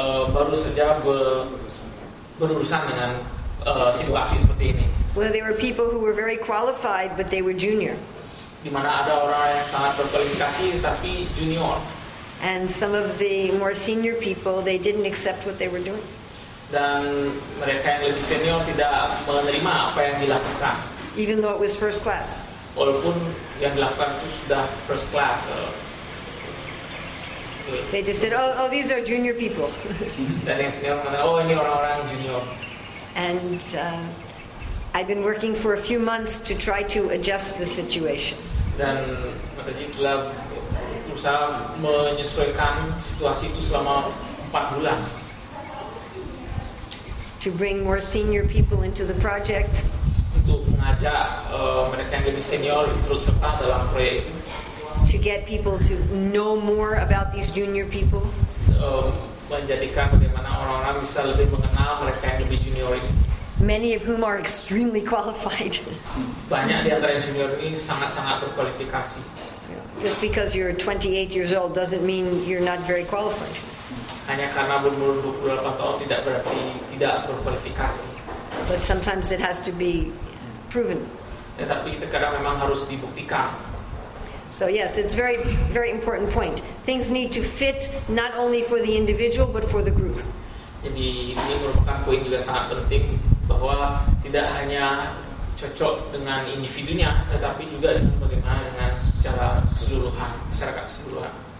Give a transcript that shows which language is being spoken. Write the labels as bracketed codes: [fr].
[id] Baru saja berurusan dengan situasi seperti ini. [en] Well, there were people who were very qualified, but they were junior. [id] Di mana ada orang yang sangat berkualifikasi, tapi junior. [en] And some of the more senior people, they didn't accept what they were doing. [id] Dan mereka yang lebih senior tidak menerima apa yang dilakukan. [en] Even though it was first class. [id] Walaupun yang dilakukan itu sudah [en] first class. They just said, oh, these are junior people. [id] Oh, ini orang-orang junior. [en] And I've been working for a few months to try to adjust the situation. [id] Dan Mataji telah berusaha menyesuaikan situasi itu selama 4 bulan. [en] To bring more senior people into the project. [id] Untuk mengajak mereka yang lebih senior ikut serta dalam proyek itu. [en] To get people to know more about these junior people. [id] Menjadikan bagaimana orang-orang bisa lebih mengenal mereka yang lebih junior ini. [en] Many of whom are extremely qualified. [id] Banyak di antara junior ini sangat-sangat berkualifikasi. [en] Just because you're 28 years old doesn't mean you're not very qualified. [id] Hanya karena berumur 28 tahun tidak berarti tidak berkualifikasi. [en] But sometimes it has to be proven. [id] Tetapi terkadang memang harus dibuktikan. [en] So yes, it's very, very important point. Things need to fit not only for the individual but for the group. [id] Jadi ini merupakan poin juga sangat penting bahwa tidak hanya cocok dengan individunya, tetapi juga bagaimana dengan secara keseluruhan, masyarakat keseluruhan.